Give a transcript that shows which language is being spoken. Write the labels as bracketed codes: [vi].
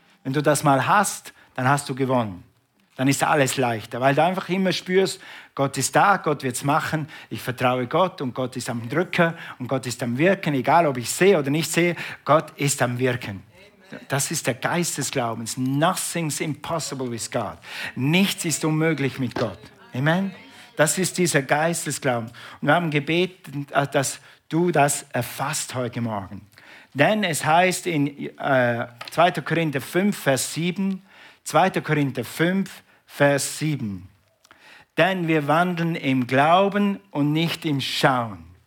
[de] Wenn du das mal hast, dann hast du gewonnen. Dann ist alles leichter, weil du einfach immer spürst, Gott ist da, Gott wird es machen, ich vertraue Gott und Gott ist am Drücken und Gott ist am Wirken, egal ob ich sehe oder nicht sehe, Gott ist am Wirken. Das ist der Geist des Glaubens. [en] Nothing's impossible with God. [de] Nichts ist unmöglich mit Gott. Amen. Das ist dieser Geist des Glaubens. Und wir haben gebeten, dass du das erfasst heute Morgen. Denn es heißt in 2. Korinther 5, Vers 7, 2. Korinther 5, Vers 7, denn wir wandeln im Glauben und nicht im Schauen.